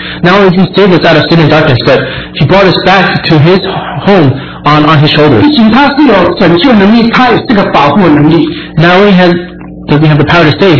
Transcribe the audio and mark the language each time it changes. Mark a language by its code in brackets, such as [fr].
[en] Not only He saved us out of sin and darkness, but He brought us back to His home. On his shoulders. [zh] 不仅他是有拯救能力，他也是个保护能力。 [en] Now he has, does he have the power to save?